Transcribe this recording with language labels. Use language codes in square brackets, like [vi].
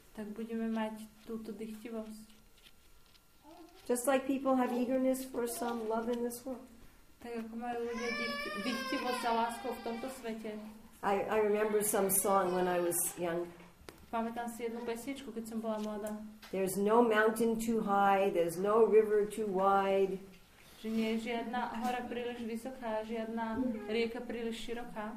[sk] Tak budeme mať túto dychtivosť. [en] Just like people have eagerness for some love in this world. [sk] Tak ako majú ľudia dychtivosť za láskou v tomto svete. [en] I remember some song when I was young. [sk] Pamätám si jednu pesničku, keď som bola mladá. [en] There's no mountain too high, there's no river too wide. [sk] Že nie je žiadna hora príliš vysoká, žiadna rieka príliš široká.